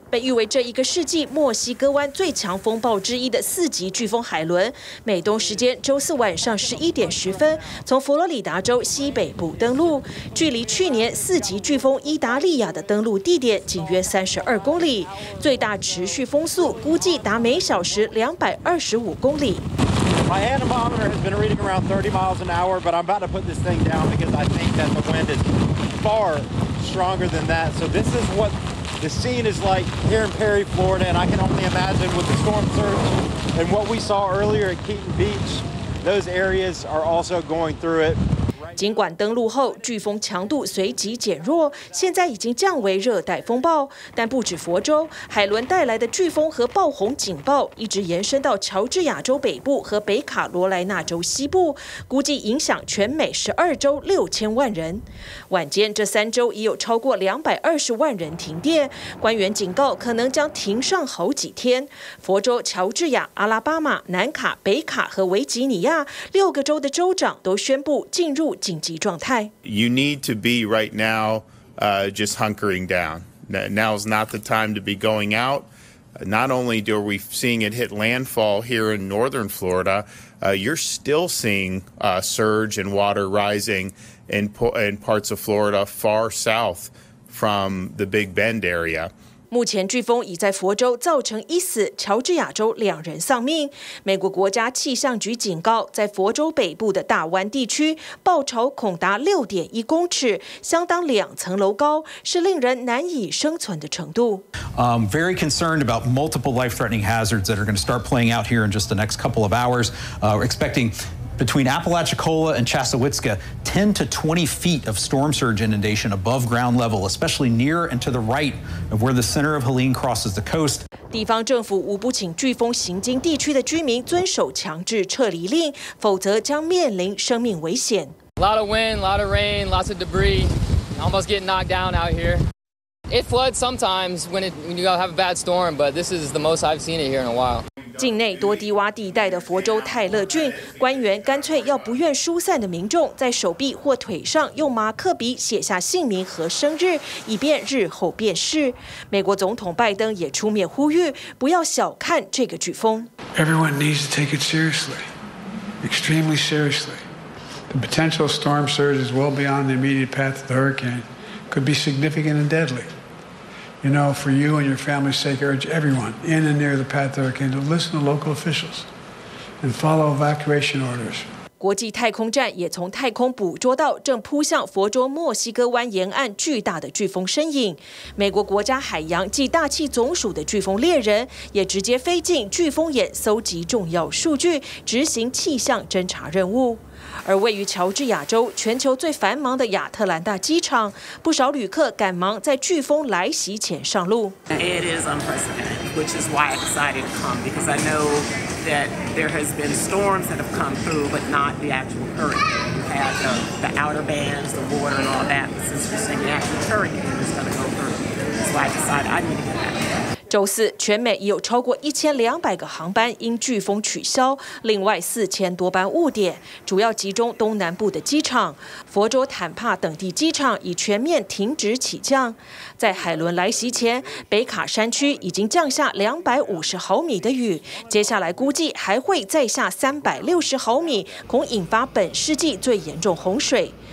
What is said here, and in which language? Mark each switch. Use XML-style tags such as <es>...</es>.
<zh>被誉为这一个世纪墨西哥湾最强风暴之一的四级飓风海伦，美东时间周四晚上11:10，从佛罗里达州西北部登陆，距离去年四级飓风伊达利亚的登陆地点仅约32公里，最大持续风速估计达每小时225公里。</zh> <en>My hand thermometer has been reading around 30 miles an hour, but I'm about to put this thing down because I think that the wind is far stronger than that. So this is what the scene is like here in Perry, Florida, and I can only imagine with the storm surge and what we saw earlier at Keaton Beach, those areas are also going through it.</en> <zh>尽管登陆后飓风强度随即减弱，现在已经降为热带风暴，但不止佛州，海伦带来的飓风和暴洪警报一直延伸到乔治亚州北部和北卡罗来纳州西部，估计影响全美12州6000万人。晚间这3州已有超过220万人停电，官员警告可能将停上好几天。佛州、乔治亚、阿拉巴马、南卡、北卡和维吉尼亚6个州的州长都宣布进入紧急状态。</zh> <en>You need to be right now, just hunkering down. Now is not the time to be going out. Not only are we seeing it hit landfall here in northern Florida, you're still seeing surge and water rising in parts of Florida far south from the Big Bend area.</en> <zh>目前飓风已在佛州造成一死，乔治亚州2人丧命。美国国家气象局警告，在佛州北部的大湾地区，暴潮恐达6.1公尺，相当2层楼高，是令人难以生存的程度。</zh> <en>Very concerned about multiple life-threatening hazards that are going to start playing out here in just the next couple of hours. We're expecting between Apalachicola and Chasawitska, 10 to 20 feet of storm surge inundation above ground level, especially near and to the right of where the center of Helene crosses the coast.</en> <zh>地方政府无不请飓风行经地区的居民遵守强制撤离令，否则将面临生命危险。</zh> <en>A lot of wind, a lot of rain, lots of debris. Almost getting knocked down out here. It floods sometimes when you have a bad storm, but this is the most I've seen it here in a while.</en> <zh>境内多低洼地带的佛州泰勒郡，官员干脆要不愿疏散的民众在手臂或腿上用马克笔写下姓名和生日，以便日后辨识。美国总统拜登也出面呼吁，不要小看这个飓风。</zh> <en>Everyone needs to take it seriously, extremely seriously. The potential storm surge is well beyond the immediate path of the hurricane, could be significant and deadly. You know, for you and your family's sake, I urge everyone in and near the path of the hurricane to listen to local officials and follow evacuation orders.</en> <zh>国际太空站也从太空捕捉到正扑向佛州墨西哥湾沿岸巨大的飓风身影。美国国家海洋暨大气总署的飓风猎人也直接飞进飓风眼搜集重要数据，执行气象侦察任务。而位于乔治亚州全球最繁忙的亚特兰大机场，不少旅客赶忙在飓风来袭前上路。</zh> <en>It is unprecedented, which is why I decided to come, because I knowthat there has been storms that have come through, but not the actual hurricane. You have the outer bands, the water and all that. This is just an actual hurricane that's going to go through. So I decided I need to get back there.</en> <zh>周四，全美已有超过1200个航班因飓风取消，另外4000多班误点，主要集中东南部的机场。佛州坦帕等地机场已全面停止起降。在海伦来袭前，北卡山区已经降下250毫米的雨，接下来估计还会再下360毫米，恐引发本世纪最严重洪水。</zh>